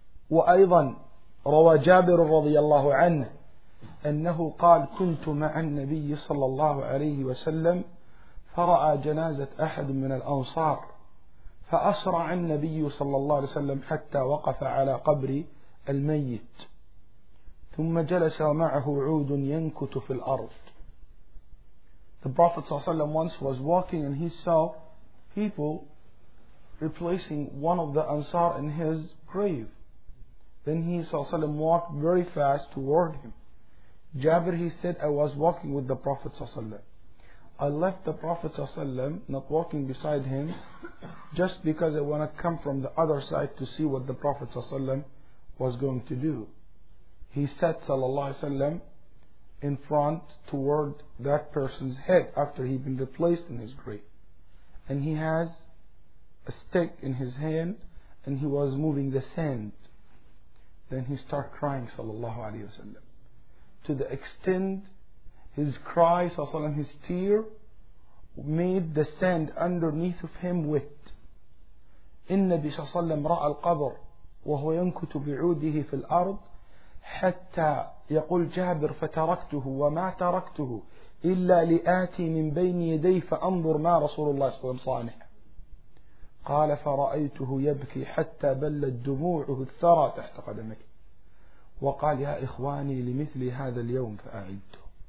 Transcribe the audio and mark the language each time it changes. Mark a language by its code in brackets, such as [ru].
[ar] وأيضا روى جابر رضي الله عنه أنه قال كنت مع النبي صلى الله عليه وسلم فرأى جنازة أحد من الأنصار فأسرع النبي صلى الله عليه وسلم حتى وقف على قبر الميت ثم جلس معه عود ينكت في الأرض. [en] The Prophet [ar] صلى الله عليه وسلم [en] once was walking and he saw people replacing one of the Ansar in his grave. Then he [ar] صلى الله عليه وسلم [en] walked very fast toward him. Jabir, he said, I was walking with the Prophet صلى الله عليه وسلم. I left the Prophet ﷺ, not walking beside him, just because I want to come from the other side to see what the Prophet ﷺ was going to do. He sat ﷺ in front toward that person's head after he'd been replaced in his grave. And he has a stick in his hand and he was moving the sand. Then he started crying ﷺ, to the extent his cry, his tear, made the sand underneath of him wet. [ar] النبي صلى الله عليه وسلم رأى القبر وهو ينكت بعوده في الأرض حتى يقول جابر فتركته وما تركته إلا لآتي من بين يدي فأنظر ما رسول الله صلى الله عليه وسلم صانع. قال فرأيته يبكي حتى بلت دموعه الثرى تحت قدمك، وقال يا إخواني لمثل هذا اليوم فأعده.